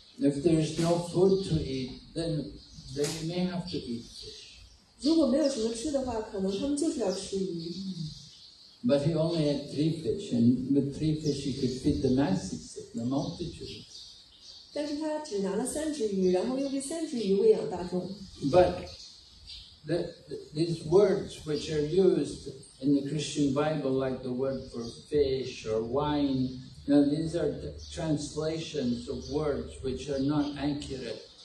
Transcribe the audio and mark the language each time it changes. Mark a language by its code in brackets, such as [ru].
[en] If there is no food to eat, then you may have to eat fish. [zh] 如果没有什么吃的话，可能他们就是要吃鱼。 [en] But he only had three fish, and with three fish he could feed the masses, the multitudes. But these words which are used in the Christian Bible, like the word for fish or wine, now these are translations of words which are not accurate.